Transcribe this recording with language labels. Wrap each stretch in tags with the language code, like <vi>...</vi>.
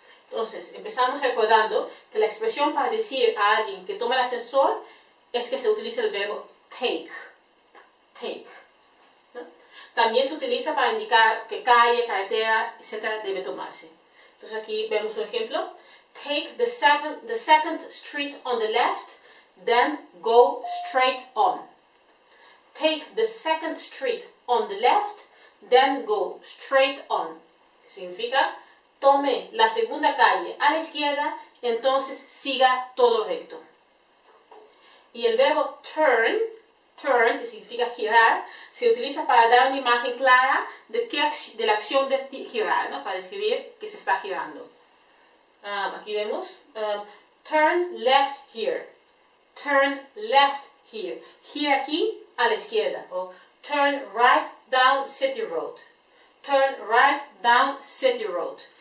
<es>Entonces, empezamos recordando que la expresión para decir a alguien que toma el ascensor es que se utiliza el verbo take. Take. ¿No? También se utiliza para indicar que calle, carretera, etc. debe tomarse. Entonces aquí vemos un ejemplo.</es> <en>Take the second street on the left, then go straight on. Take the second street on the left, then go straight on.</en> <es>¿Qué significa? Tome la segunda calle a la izquierda, entonces siga todo recto. Y el verbo turn, que significa girar, se utiliza para dar una imagen clara de la acción de girar, ¿no? Para describir que se está girando. Aquí vemos,</es> <en>turn left here, turn left here,</en> <es>gira aquí a la izquierda, o</es> <en>turn right down city road,</en> <es>turn right down city road.</es>